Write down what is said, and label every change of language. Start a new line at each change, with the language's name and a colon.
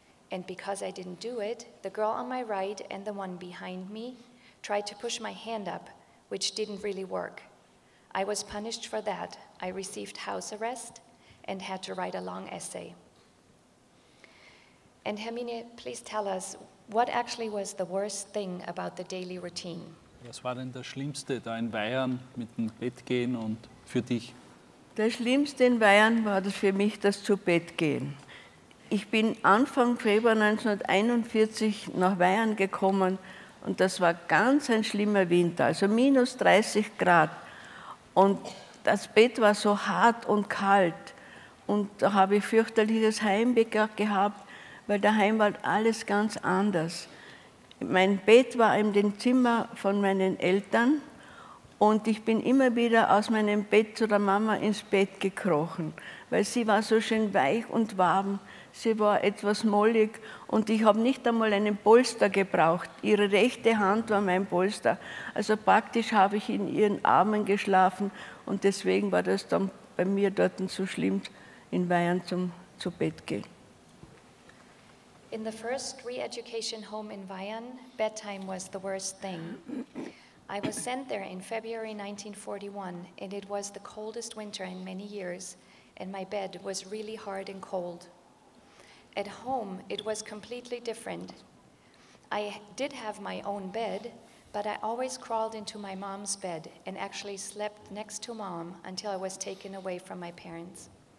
English: And because I didn't do it, the girl on my right and the one behind me tried to push my hand up, which didn't really work. I was punished for that. I received house arrest and had to write a long essay. And Hermine, please tell us, what actually was the worst thing about the daily routine?
German: Was war denn das Schlimmste da in Bayern mit dem Bettgehen und für dich? Das Schlimmste in Bayern war das für mich das Zu-Bett-Gehen. Ich bin Anfang Februar 1941 nach Bayern gekommen und das war ganz ein schlimmer Winter, also minus 30 Grad. Und das Bett war so hart und kalt und da habe ich fürchterliches Heimweh gehabt. weil daheim war alles ganz anders. Mein Bett war in dem Zimmer von meinen Eltern und ich bin immer wieder aus meinem Bett zu der Mama ins Bett gekrochen, weil sie war so schön weich und warm. Sie war etwas mollig und ich habe nicht einmal einen Polster gebraucht. Ihre rechte Hand war mein Polster. Also praktisch habe ich in ihren Armen geschlafen und deswegen war das dann bei mir dort so schlimm, in Bayern zu Bett gehen.
English: In the first re-education home in Bayern, bedtime was the worst thing. I was sent there in February 1941 and it was the coldest winter in many years and my bed was really hard and cold. At home, it was completely different. I did have my own bed, but I always crawled into my mom's bed and actually slept next to mom until I was taken away from my parents.